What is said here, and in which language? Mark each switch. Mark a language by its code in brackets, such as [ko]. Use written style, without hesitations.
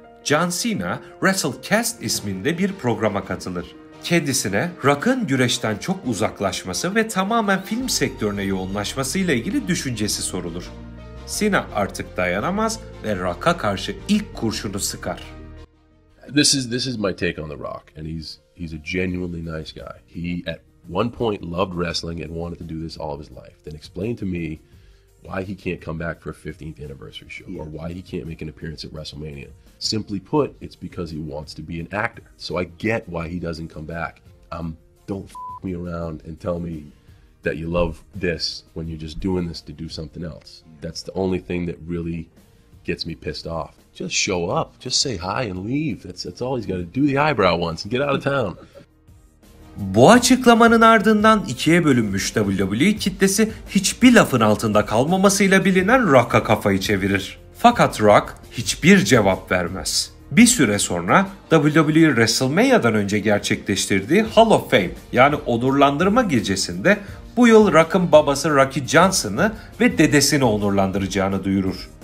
[tr] John Cena, WrestleCast isminde bir programa katılır. Kendisine Rock'ın güreşten çok uzaklaşması ve tamamen film sektörüne yoğunlaşmasıyla ilgili düşüncesi sorulur. Cena artık dayanamaz ve Rock'a karşı ilk kurşunu sıkar. [en] This is my take on The Rock, and he's a genuinely nice guy. He at one point loved wrestling and wanted to do this all of his life. Then explained to me why he can't come back for a 15th anniversary show, or why he can't make an appearance at WrestleMania. Simply put, it's because he wants to be an actor. So I get why he doesn't come back. Don't f*** me around and tell me that you love this when you're just doing this to do something else. That's the only thing that really gets me pissed off. Just show up. Just say hi and leave. That's all he's got to do. The eyebrow once and get out of town. [tr] Bu açıklamanın ardından ikiye bölünmüş WWE kitlesi hiçbir lafın altında kalmamasıyla bilinen Rock'a kafayı çevirir. Fakat Rock hiçbir cevap vermez. Bir süre sonra WWE WrestleMania'dan önce gerçekleştirdiği Hall of Fame yani onurlandırma gecesinde bu yıl Rock'ın babası Rocky Johnson'ı ve dedesini onurlandıracağını duyurur.